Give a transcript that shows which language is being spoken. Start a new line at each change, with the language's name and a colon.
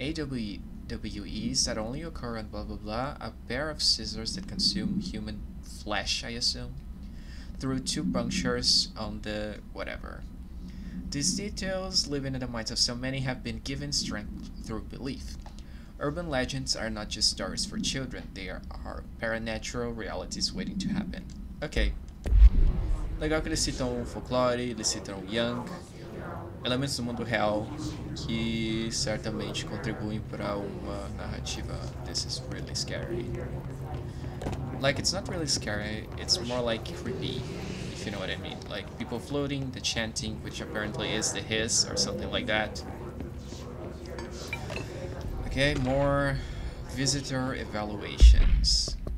English: AWEs that only occur on blah blah blah, a pair of scissors that consume human flesh, I assume, through two punctures on the whatever. These details, living in the minds of so many, have been given strength through belief. Urban legends are not just stories for children, they are paranatural realities waiting to happen. Ok.
Portuguese: Legal que eles citam folclore, eles citam Jung, elementos do mundo real que certamente contribuem para uma narrativa.
English: This is really scary. Like, it's not really scary, it's more like creepy, if you know what I mean. Like, people floating, the chanting, which apparently is the hiss or something like that. Okay, more visitor evaluations.